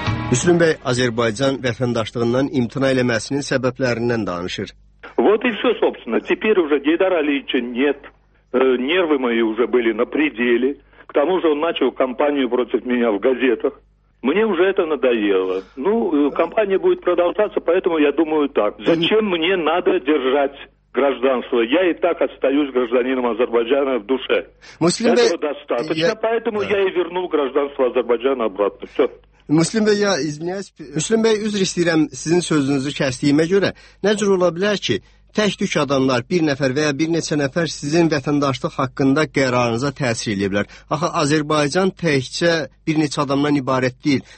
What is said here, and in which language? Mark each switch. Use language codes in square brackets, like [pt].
[az] Müslüm Bey Azerbaycan vətəndaşlığından imtina eləməsinin səbəblərindən danışır. [ru] Вот и всё, собственно. Теперь уже Гейдара Алиевича нет. Нервы мои уже были на пределе. К тому же он начал кампанию против меня в газетах. Мне уже это надоело. Ну, кампания будет продолжаться, поэтому я думаю так. Зачем мне надо держать гражданство? Я и так остаюсь гражданином Азербайджана в душе. Муслим Бей, этого достаточно, поэтому я и вернул гражданство Азербайджана обратно. Все. [az] Müslüm Bey, ya izniniz, Müslüm Bey, üzr istəyirəm sizin sözünüzü kəsdiyimə görə. Nə cür ola bilər ki, tək-tük adamlar, bir nəfər və ya bir neçə nəfər sizin vətəndaşlıq haqqında qərarınıza təsir edə bilər? Axı, Azərbaycan təkcə bir neçə adamdan ibarət deyil.